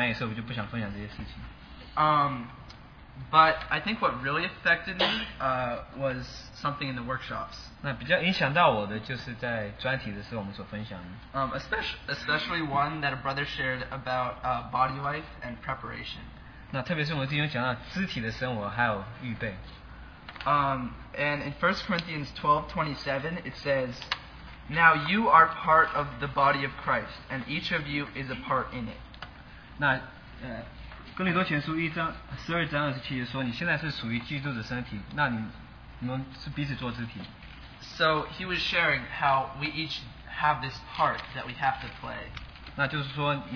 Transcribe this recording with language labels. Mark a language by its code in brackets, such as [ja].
[zh] 那他分享的时候，他用了许多特别的词。那这些词或许中文不好翻译，所以我就不想分享这些事情。 [en] But I think what really affected me was something in the workshops. [zh] 那比较影响到我的就是在专题的时候我们所分享的。 [en] Especially one that a brother shared about body life and preparation. [zh] 那特别是我们弟兄讲到肢体的生活还有预备。 [en] And in 1 Corinthians 12:27 it says, "Now you are part of the body of Christ, and each of you is a part in it." [zh] 那 哥林多前书12:27，说你现在是属于基督的身体，那你们是彼此做肢体。So [en] he was sharing how we each have this part that we have to play.